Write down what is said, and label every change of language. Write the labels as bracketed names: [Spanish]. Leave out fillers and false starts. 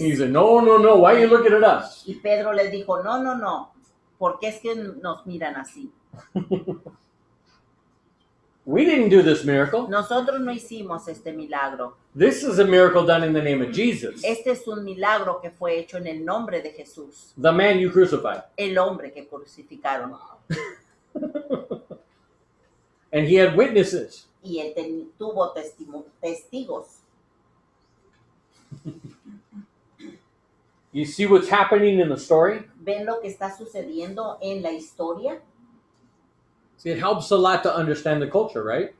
[English] He said, no, why are you looking at us? [Spanish] Y Pedro les dijo, no, ¿por qué es que nos miran así? [English] We didn't do this miracle. [Spanish] Nosotros no hicimos este milagro. [English] This is a miracle done in the name of Jesus. [Spanish] Este es un milagro que fue hecho en el nombre de Jesús. [English] The man you crucified. [Spanish] El hombre que crucificaron. [English] And he had witnesses. [Spanish] Y él tuvo testigos. [English] You see what's happening in the story? [Spanish] ¿Ven lo que está sucediendo en la historia? [English] It helps a lot to understand the culture, right?